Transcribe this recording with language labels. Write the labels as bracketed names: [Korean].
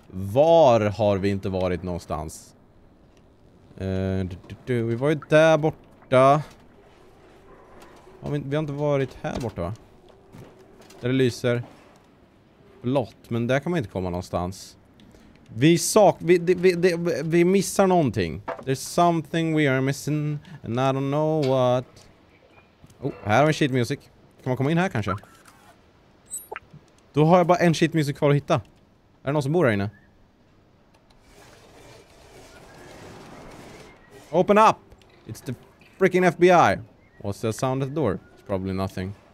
[Swedish] Var har vi inte varit någonstans? Vi var ju där borta. Vi har inte varit här borta va? Där det lyser blått, men där kan man inte komma någonstans. Vi missar någonting. [English] There's something we are missing and I don't know what. [Swedish] Oh, här har vi sheet music. Kan man komma in här kanske? Då har jag bara en sheet music kvar att hitta. Är det någon som bor här inne? [English] Open up! It's the freaking FBI. What's the sound at the door? It's probably nothing.